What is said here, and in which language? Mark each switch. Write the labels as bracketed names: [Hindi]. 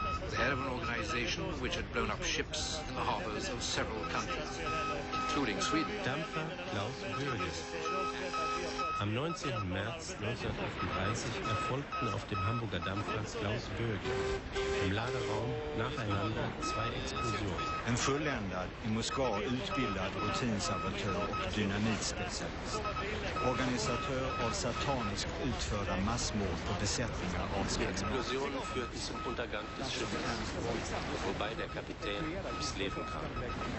[English] The head of an organization which had blown up ships in the harbors of several countries, including Sweden. [German] Dampfer Klaus Bürges. Am 19. März 1938 erfolgten auf dem Hamburger Dampfer Klaus Bürges im Laderaum nacheinander zwei Explosionen. [Swedish] En fulländad, i Moskva utbildad rutinsaboteur och dynamitspecialist. Organisatör av satanisk utförda massmord på besättningar av Sverige. [German] Explosionen führten zum Untergang des Schiffes, wobei der Kapitän ums Leben kam.